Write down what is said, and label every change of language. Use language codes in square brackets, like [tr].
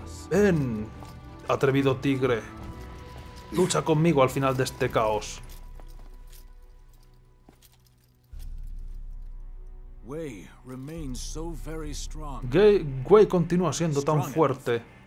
[es] Ven, atrevido tigre. Lucha conmigo al final de este caos. [en] Wei remains so very strong. [es] Wei continúa siendo tan fuerte.